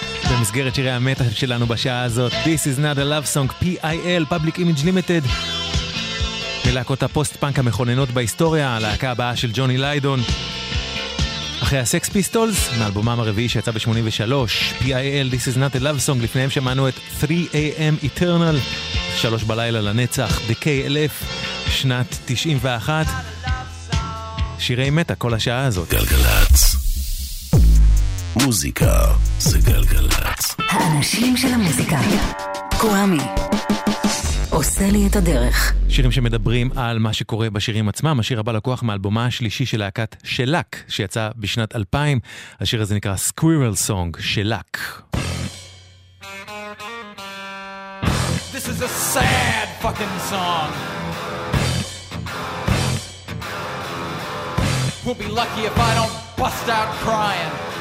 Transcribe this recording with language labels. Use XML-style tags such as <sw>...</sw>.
<he>במסגרת שירי המתח שלנו בשעה הזאת, This is not a love song, PIL, Public Image Limited. מלהקות הפוסט-פאנק המכוננות בהיסטוריה, הלהקה הבאה של ג'וני ליידון. אחרי הסקס פיסטולס, מאלבומם הרביעי שיצא ב-83, PIL, This is not a love song, לפניהם שמענו את 3AM Eternal, 3 בלילה לנצח, DKLF, שנת 91. שירי מתח כל השעה הזאת. גלגלץ. מוזיקה זה גלגלץ. האנשים של המוזיקה. קוואמי עושה לי את הדרך. שירים שמדברים על מה שקורה בשירים עצמם. השיר הבא לקוח מאלבומה השלישי של להקת שלק שיצא בשנת 2000. השיר הזה נקרא Squirrel Song, שלק.</he> <en>This is a sad fucking song. We'll be lucky if I don't bust out crying.</en>